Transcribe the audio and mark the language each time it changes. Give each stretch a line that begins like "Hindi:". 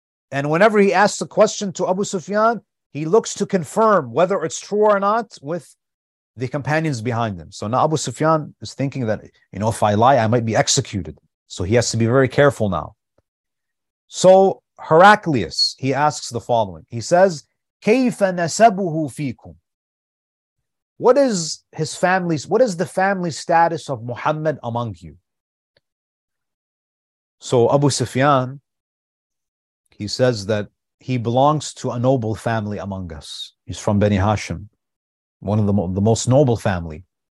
English: And whenever he asks a question to Abu Sufyan, he looks to confirm whether it's true or not with the companions behind him. So now Abu Sufyan is thinking that, you know, if I lie, I might be executed. So he has to be very careful now. So Heraclius, he asks the following.
Arabic: He says, كَيْفَ نَسَبُهُ فِيكُمْ.
English: What is his family's, what is the family status of Muhammad among you? So Abu Sufyan, he says that he belongs to a noble family among us. He's from Bani Hashim, one of the most noble family.